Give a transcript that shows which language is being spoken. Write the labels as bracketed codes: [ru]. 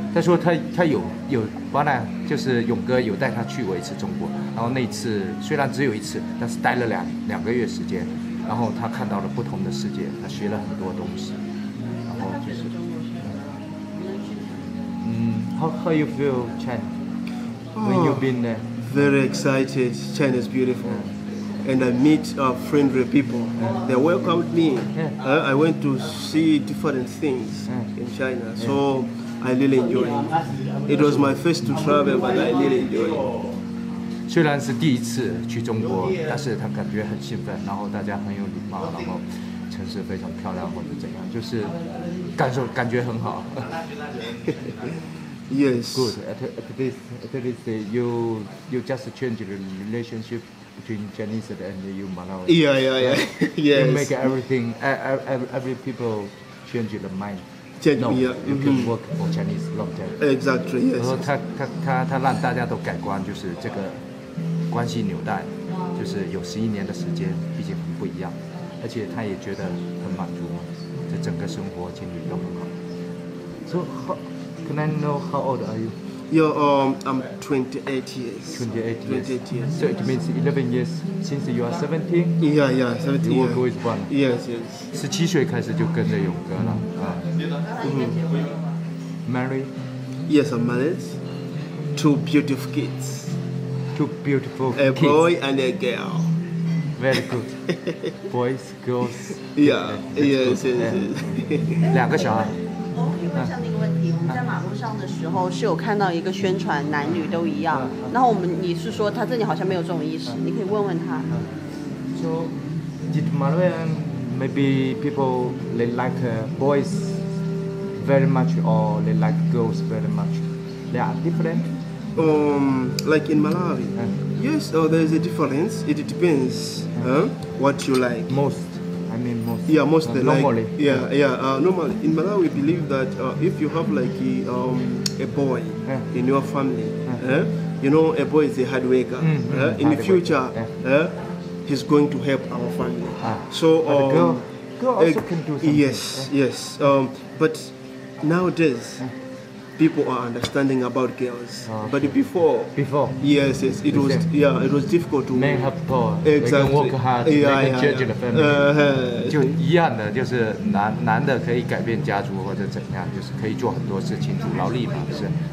[zh] 他说他有完了，就是勇哥有带他去过一次中国，然后那次虽然只有一次，但是待了两个月时间，然后他看到了不同的世界，他学了很多东西。 [en] How you feel China when you've been there? Very excited. China's beautiful. And I meet friendly people. They welcomed me. I went to see different things in China. So I really enjoy it. It was my first to travel, but I really enjoy it. [zh] 虽然是第一次去中国，但是他感觉很兴奋，然后大家很有礼貌，然后城市非常漂亮或者怎样，就是感觉很好。 [en] Yes. Good. At least you just change the relationship between Chinese and you Malawi. Yeah. You make everything, every people change the mind. Change me. You can work for Chinese long term. Exactly. Yes. [zh] 然后他让大家都改观，就是这个关系纽带，就是有十一年的时间，毕竟很不一样，而且他也觉得很满足，这整个生活经历都很好。 [en] Can I know how old are you? I'm 28 years. So it means 11 years since you are 17? Yeah, 17. You work with one? Yes, yes. [zh] 17岁开始就跟着勇哥了。 [en] Married? Yes, I'm married. Two beautiful kids. Two beautiful a kids. A boy and a girl. Very good. Boys, girls. Yes. [zh] 两个小孩。我们在马路上的时候是有看到一个宣传，男女都一样。然后你是说他这里好像没有这种意识，你可以问问他。 [en] So, did Malawian maybe people they like boys very much or they like girls very much? They are different. Like in Malawi. Yes, there is a difference. It depends. What you like most. I mean most. Yeah, most they normally. Like. Yeah. Normally, in Malawi, we believe that if you have like a boy in your family, you know, a boy is a hard worker. In the future, he's going to help our family. But the girl also can do something. Yes. But nowadays, people are understanding about girls. Okay. But before? Yes, it was difficult to... Men have power. Exactly. They can work hard, they can change the family. [zh] 就一样的，就是男的可以改变家族或者怎样，就是可以做很多事情，主劳力嘛，不是？